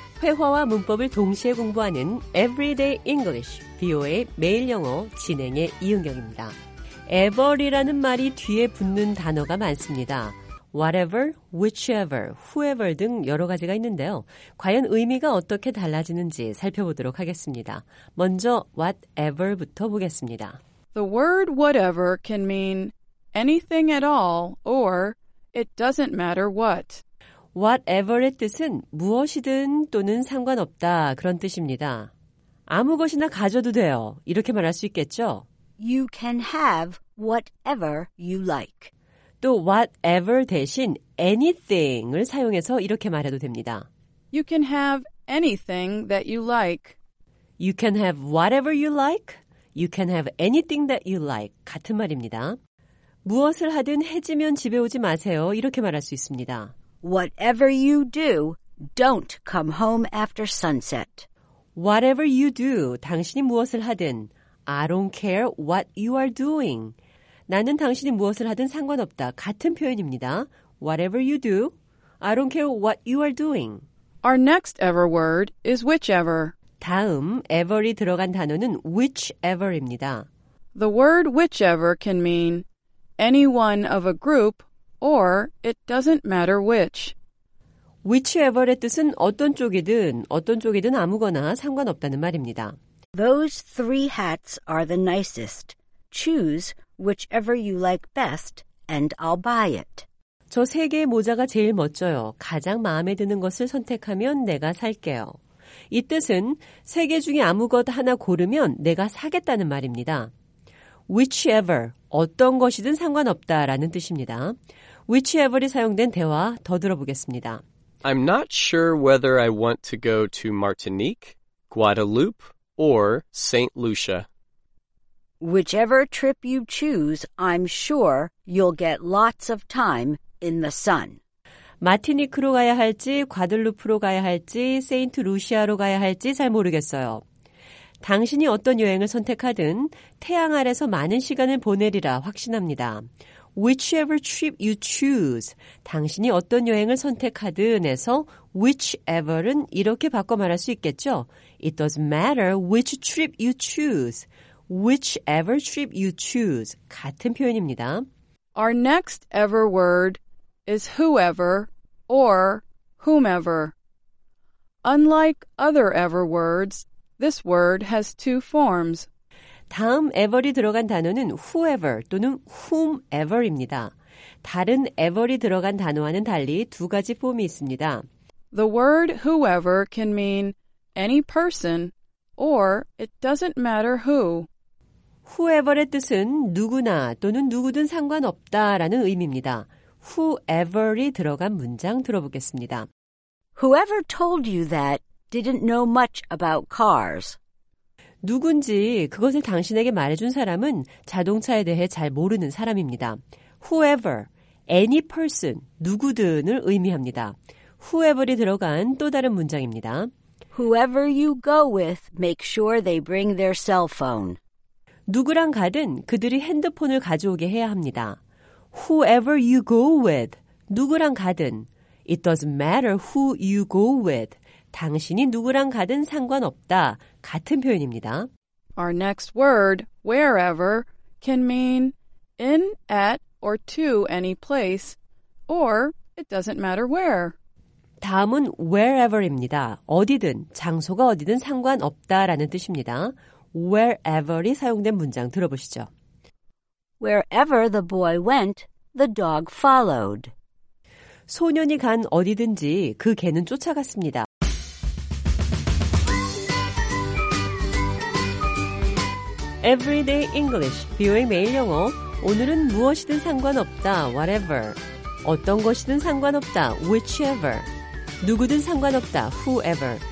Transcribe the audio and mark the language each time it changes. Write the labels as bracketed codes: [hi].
[ko] 회화와 문법을 동시에 공부하는 Everyday English, VOA 매일 영어 진행의 이은경입니다. ever이라는 말이 뒤에 붙는 단어가 많습니다. whatever, whichever, whoever 등 여러 가지가 있는데요. 과연 의미가 어떻게 달라지는지 살펴보도록 하겠습니다. 먼저 whatever부터 보겠습니다. [en] The word whatever can mean anything at all or it doesn't matter what. [ko] whatever의 뜻은 무엇이든 또는 상관없다 그런 뜻입니다. 아무 것이나 가져도 돼요. 이렇게 말할 수 있겠죠? [en] You can have whatever you like. [ko] 또 whatever 대신 anything을 사용해서 이렇게 말해도 됩니다. [en] You can have anything that you like. You can have whatever you like. You can have anything that you like. [ko] 같은 말입니다. 무엇을 하든 해지면 집에 오지 마세요. 이렇게 말할 수 있습니다. [en] Whatever you do, don't come home after sunset. Whatever you do, [ko] 당신이 무엇을 하든, [en] I don't care what you are doing. [ko] 나는 당신이 무엇을 하든 상관없다. 같은 표현입니다. [en] Whatever you do, I don't care what you are doing. Our next ever word is whichever. [ko] 다음 ever이 들어간 단어는 whichever입니다. [en] The word whichever can mean any one of a group or it doesn't matter which. [ko] Whichever의 뜻은 어떤 쪽이든 아무거나 상관없다는 말입니다. [en] Those three hats are the nicest. Choose whichever you like best and I'll buy it. [ko] 저 세 개의 모자가 제일 멋져요. 가장 마음에 드는 것을 선택하면 내가 살게요. 이 뜻은 세 개 중에 아무것 하나 고르면 내가 사겠다는 말입니다. Whichever, 어떤 것이든 상관없다라는 뜻입니다. Whichever이 사용된 대화 더 들어보겠습니다. [en] I'm not sure whether I want to go to Martinique, Guadeloupe, or St. Lucia. Whichever trip you choose, I'm sure you'll get lots of time in the sun. [ko] 마티니크로 가야 할지, 과들루프로 가야 할지, 세인트 루시아로 가야 할지 잘 모르겠어요. 당신이 어떤 여행을 선택하든 태양 아래서 많은 시간을 보내리라 확신합니다. [en] whichever trip you choose. [ko] 당신이 어떤 여행을 선택하든에서 whichever은 이렇게 바꿔 말할 수 있겠죠. [en] It doesn't matter which trip you choose. Whichever trip you choose. [ko] 같은 표현입니다. [en] Our next ever word is whoever or whomever. Unlike other ever words, this word has two forms. [ko] 다음 ever이 들어간 단어는 whoever 또는 whomever입니다. 다른 ever이 들어간 단어와는 달리 두 가지 폼이 있습니다. [en] The word whoever can mean any person or it doesn't matter who. [ko] Whoever의 뜻은 누구나 또는 누구든 상관없다라는 의미입니다. Whoever이 들어간 문장 들어보겠습니다. [en] Whoever told you that didn't know much about cars. [ko] 누군지 그것을 당신에게 말해준 사람은 자동차에 대해 잘 모르는 사람입니다. Whoever, [en] any person, [ko] 누구든을 의미합니다. Whoever이 들어간 또 다른 문장입니다. [en] Whoever you go with, make sure they bring their cell phone. [ko] 누구랑 가든 그들이 핸드폰을 가져오게 해야 합니다. [en] Whoever you go with, [ko] 누구랑 가든, [en] it doesn't matter who you go with. [ko] 당신이 누구랑 가든 상관없다. 같은 표현입니다. [en] Our next word, wherever, can mean in, at, or to any place, or it doesn't matter where. [ko] 다음은 wherever입니다. 어디든, 장소가 어디든 상관없다라는 뜻입니다. Wherever이 사용된 문장 들어보시죠. Wherever the boy went, the dog followed. 소년이 간 어디든지 그 개는 쫓아갔습니다. 에브리데이 잉글리시, 비오의 매일 영어. 오늘은 무엇이든 상관없다, whatever. 어떤 것이든 상관없다, whichever. 누구든 상관없다, whoever.